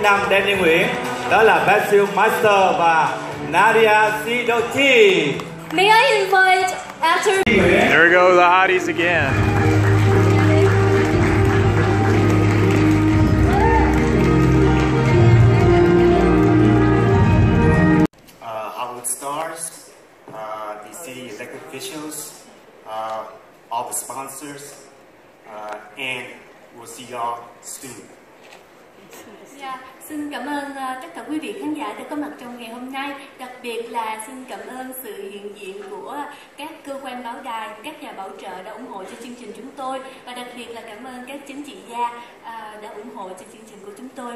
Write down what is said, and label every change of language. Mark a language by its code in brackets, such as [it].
[vi] Danny Nguyễn, đó là Basil Master và Nadia Sidoti. [en] May I invite actor? There go the hotties again. Hollywood stars, the city elected officials, all the sponsors, and we'll see y'all soon. Yeah. [vi] Xin cảm ơn tất cả quý vị khán giả đã có mặt trong ngày hôm nay. Đặc biệt là xin cảm ơn sự hiện diện của các cơ quan báo đài, các nhà bảo trợ đã ủng hộ cho chương trình chúng tôi. Và đặc biệt là cảm ơn các chính trị gia đã ủng hộ cho chương trình của chúng tôi.